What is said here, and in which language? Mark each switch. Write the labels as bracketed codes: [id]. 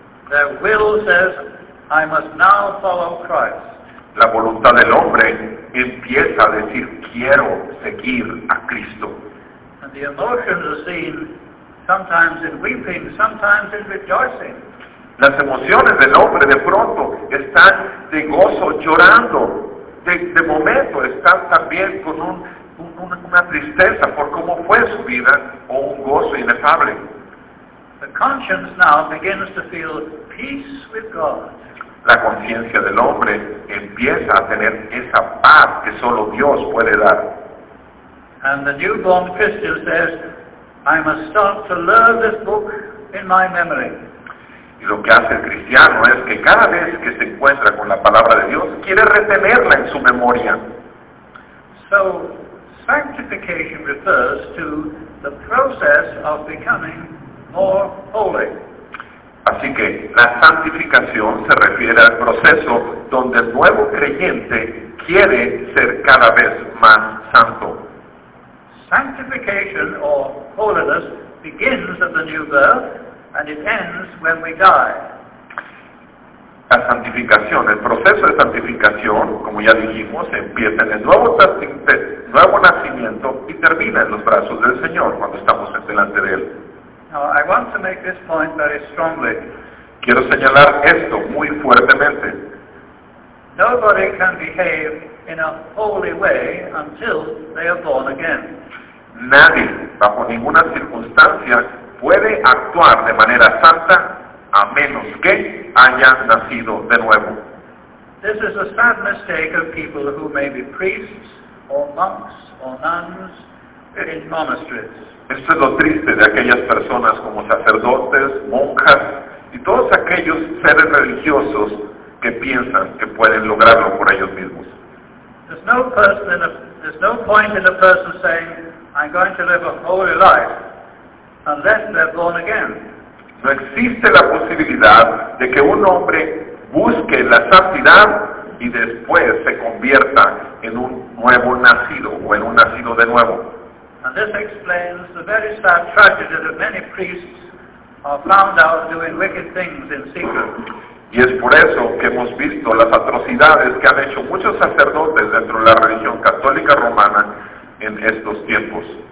[en] Their will says, I must now follow Christ. [es] La voluntad del hombre empieza a decir, quiero seguir a Cristo. [en] And the emotions are seen sometimes in weeping, sometimes in rejoicing. [es] Las emociones del hombre de pronto están de gozo, llorando. De momento están también con una tristeza por cómo fue su vida o un gozo inefable. [en] The conscience now begins to feel peace with God. [es] La conciencia del hombre empieza a tener esa paz que solo Dios puede dar. [en] And the newborn Christian says, I must start to learn this book in my memory. [es] Y lo que hace el cristiano es que cada vez que se encuentra con la palabra de Dios, quiere retenerla en su memoria. [en] So, sanctification refers to the process of becoming more holy. [es] Así que la santificación se refiere al proceso donde el nuevo creyente quiere ser cada vez más santo. [en] Sanctification or holiness begins at the new birth and it ends when we die. [es] La santificación, el proceso de santificación, como ya dijimos, empieza en el nuevo nacimiento y termina en los brazos del Señor cuando estamos delante de Él. [en] Now, I want to make this point very strongly. [es] Quiero señalar esto muy fuertemente. [en] Nobody can behave in a holy way until they are born again. [es] Nadie, bajo ninguna circunstancia, puede actuar de manera santa a menos que haya nacido de nuevo. [en] This is a sad mistake of people who may be priests or monks or nuns in monasteries. [es] Esto es lo triste de aquellas personas como sacerdotes, monjas y todos aquellos seres religiosos que piensan que pueden lograrlo por ellos mismos. [en] There's no point in a person saying, I'm going to live a holy life, unless they're born again. [es] No existe la posibilidad de que un hombre busque la santidad y después se convierta en un nuevo nacido o en un nacido de nuevo. [en] And this explains the very sad tragedy that many priests are found out doing wicked things in secret. [es] Y es por eso que hemos visto las atrocidades que han hecho muchos sacerdotes dentro de la religión católica romana en estos tiempos.